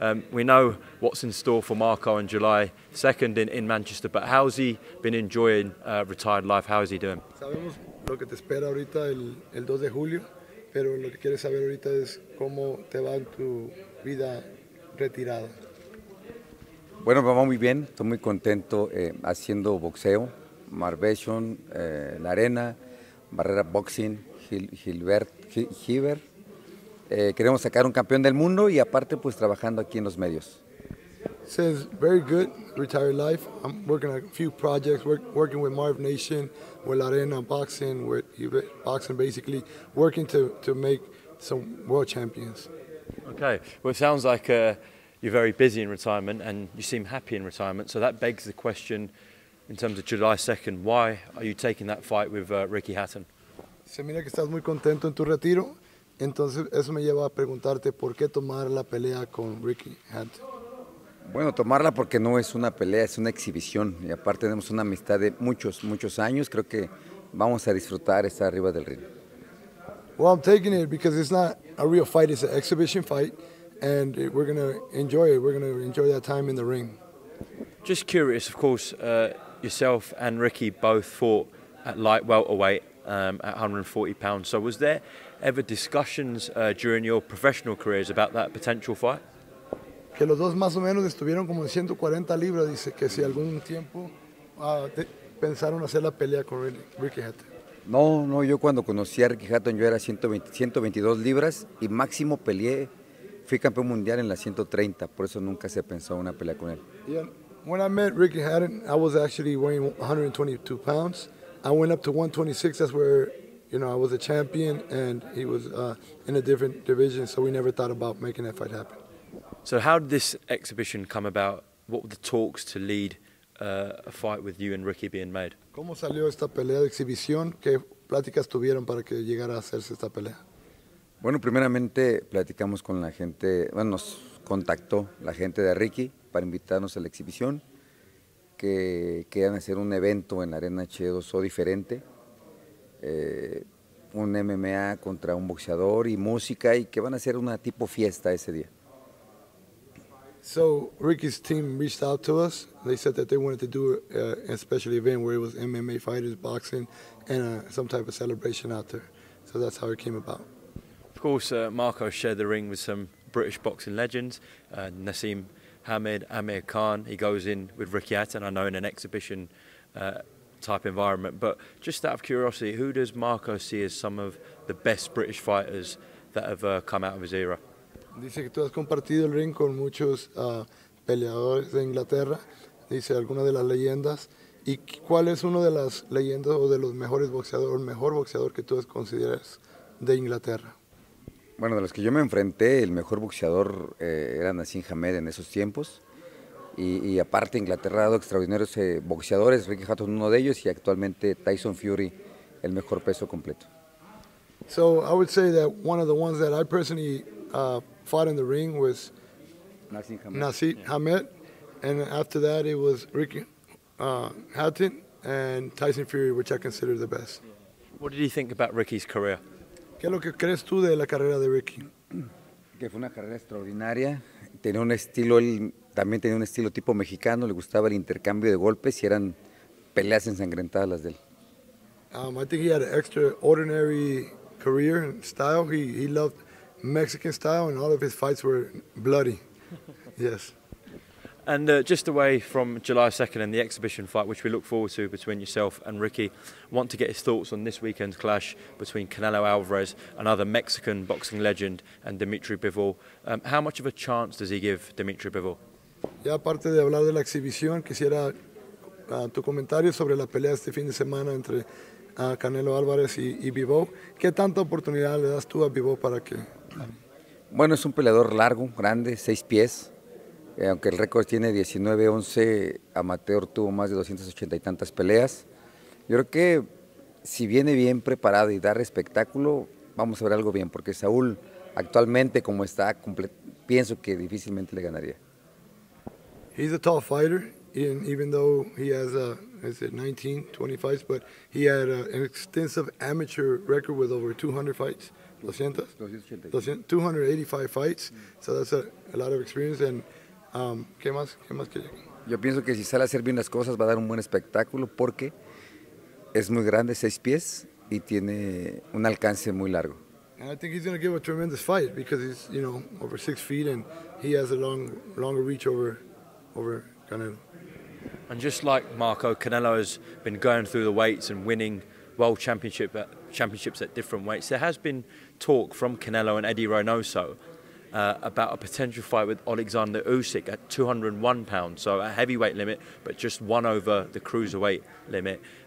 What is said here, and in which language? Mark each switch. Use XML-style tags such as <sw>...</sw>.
<en>We know what's in store for Marco on July 2nd in Manchester, but how's he been enjoying retired life? How is he doing?</en> <es>Sabemos lo que te espera ahorita el 2 de julio, pero lo que quieres saber ahorita es cómo te va en tu vida retirada. Bueno, me va muy bien. Estoy muy contento haciendo boxeo, Marvation, la arena, Barrera Boxing, Gilbert. Queremos sacar un campeón del mundo y aparte, pues trabajando aquí en los medios.</es> <en>Says very good retired life. I'm working on a few projects, working with Marv Nation, with la arena boxing, with boxing basically, working to make some world champions. Okay. Well, it sounds like you're very busy in retirement and you seem happy in retirement. So that begs the question in terms of July 2nd, why are you taking that fight with Ricky Hatton?</en> <es>Se mira que estás muy contento en tu retiro. Entonces eso me lleva a preguntarte por qué tomar la pelea con Ricky Hatton. Bueno, tomarla porque no es una pelea, es una exhibición. Y aparte tenemos una amistad de muchos, muchos años. Creo que vamos a disfrutar estar arriba del ring.</es> <en>Well, I'm taking it because it's not a real fight, it's an exhibition fight. And we're going to enjoy it. We're going to enjoy that time in the ring. Just curious, of course, yourself and Ricky both fought at light welterweight at 140 pounds. So was there ever discussions during your professional careers about that potential fight?</en> <es>Que los dos más o menos estuvieron como en 140 libras, dice que si algún tiempo pensaron hacer la pelea con Ricky Hatton. No, yo cuando conocí a Ricky Hatton yo era 122 libras y máximo peleé. Fui campeón mundial en la 130, por eso nunca se pensó una pelea con él.</es> <en>Yeah, when I met Ricky Hatton, I was actually weighing 122 pounds. I went up to 126, that's where, you know, I was a champion and he was in a different division, so we never thought about making that fight happen. So how did this exhibition come about? What were the talks to lead a fight with you and Ricky being made?</en> <es>¿Cómo salió esta pelea de exhibición? ¿Qué pláticas tuvieron para que llegara a hacerse esta pelea? Bueno, primeramente platicamos con la gente, bueno, nos contactó la gente de Ricky para invitarnos a la exhibición, que querían hacer un evento en la arena H2O diferente, un MMA contra un boxeador y música, y que van a hacer una tipo fiesta ese día.</es> <en>So, Ricky's team reached out to us. They said that they wanted to do a special event where it was MMA fighters, boxing, and some type of celebration out there. So that's how it came about. Of course, Marco shared the ring with some British boxing legends, Nassim Hamid, Amir Khan. He goes in with Ricky Hatton, I know, in an exhibition type environment. But just out of curiosity, who does Marco see as some of the best British fighters that have come out of his era?</en> <es>Dice que tú has compartido el ring con muchos peleadores de Inglaterra. Dice algunas de las leyendas. ¿Y cuál es uno de las leyendas o de los mejores boxeadores, el mejor boxeador que tú consideras de Inglaterra? Bueno, de los que yo me enfrenté, el mejor boxeador era Nassim Hamed en esos tiempos. Y aparte, Inglaterra ha dado extraordinarios boxeadores, Ricky Hatton uno de ellos, y actualmente Tyson Fury, el mejor peso completo.</es> <en>So, I would say that one of the ones that I personally fought in the ring was Nassim Hamed. And after that, it was Ricky Hatton and Tyson Fury, which I consider the best. What did you think about Ricky's career?</en> <es>¿Qué es lo que crees tú de la carrera de Ricky? Que fue una carrera extraordinaria. Tenía un estilo, él también tenía un estilo tipo mexicano. Le gustaba el intercambio de golpes y eran peleas ensangrentadas las de él.</es> <en>I think he had an extraordinary career and style. He loved Mexican style and all of his fights were bloody. Yes. And just away from July 2nd and the exhibition fight, which we look forward to between yourself and Ricky, want to get his thoughts on this weekend's clash between Canelo Alvarez, another Mexican boxing legend, and Dimitri Bivol. How much of a chance does he give Dimitri Bivol?</en> <es>Ya aparte de hablar de la exhibición, quisiera tu comentario sobre la pelea este fin de semana entre Canelo Alvarez y Bivol. ¿Qué tanta oportunidad le das tú a Bivol para que? Bueno, es un peleador largo, grande, 6 pies. Aunque el récord tiene 19-11, amateur tuvo más de 280 y tantas peleas. Yo creo que si viene bien preparado y da espectáculo, vamos a ver algo bien, porque Saúl actualmente como está, pienso que difícilmente le ganaría.</es> <en>He's a tall fighter. And even though he has, is it 19, 20 fights, but he had an extensive amateur record with over 200 fights. 285 fights. So that's a lot of experience.</en> <es>And ¿qué más? ¿Qué más quiere? Yo pienso que si sale a hacer bien las cosas va a dar un buen espectáculo porque es muy grande, 6 pies, y tiene un alcance muy largo.</es> <en>And I think he's going to give a tremendous fight because he's, you know, over 6 feet and he has a longer reach over Canelo. And just like Marco, Canelo has been going through the weights and winning world championships at different weights. There has been talk from Canelo and Eddie Reynoso about a potential fight with Alexander Usyk at 201 pounds, so a heavyweight limit, but just one over the cruiserweight limit.</en>